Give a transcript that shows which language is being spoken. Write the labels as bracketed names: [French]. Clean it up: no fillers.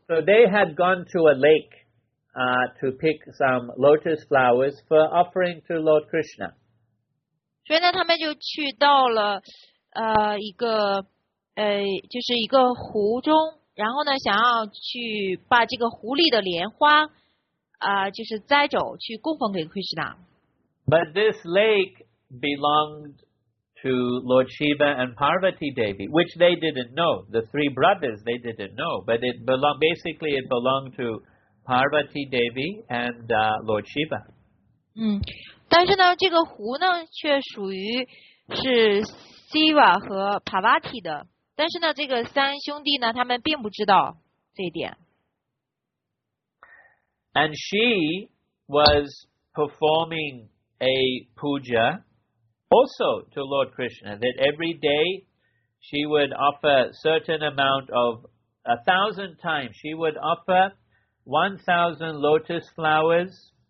[English] So they had gone to a lake, to pick some lotus flowers for offering to Lord Krishna. [Chinese] 所以呢，他们就去到了，一个，就是一个湖中，然后呢，想要去把这个湖里的莲花，就是摘走去供奉给 Krishna。 [English] But this lake belonged to Lord Shiva and Parvati Devi, which they didn't know. The three brothers they didn't know, but it belonged basically it belonged to Parvati Devi and Lord Shiva. [Chinese] 但是呢，这个湖呢却属于是 Shiva 和 Parvati 的。但是呢，这个三兄弟呢，他们并不知道这一点。 [English] And she was performing a puja also to Lord Krishna, that every day she would offer certain amount of 1,000 times. She would offer 1,000 lotus flowers.